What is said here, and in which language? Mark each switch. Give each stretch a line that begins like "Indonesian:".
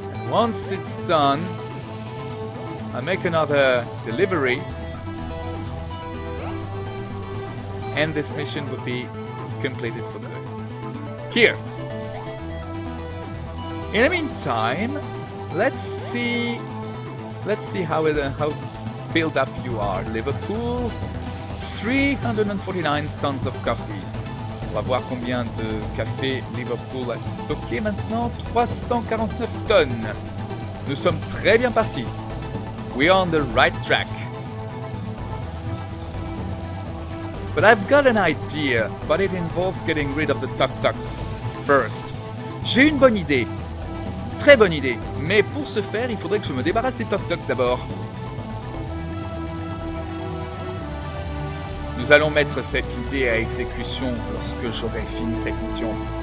English: Once it's done, I make another delivery, and this mission will be completed for good. Here! In the meantime, let's see how filled up you are. Liverpool, 349 tons of coffee.
French: On va voir combien de café Liverpool a stocké maintenant. 349 tonnes. Nous sommes très bien partis.
English: We are on the right track. But I've got an idea, but it involves getting rid of the tuk-tuks first.
French: J'ai une bonne idée. Très bonne idée. Mais pour ce faire, il faudrait que je me débarrasse des tuk-tuks d'abord. Nous allons mettre cette idée à exécution lorsque j'aurai fini cette mission.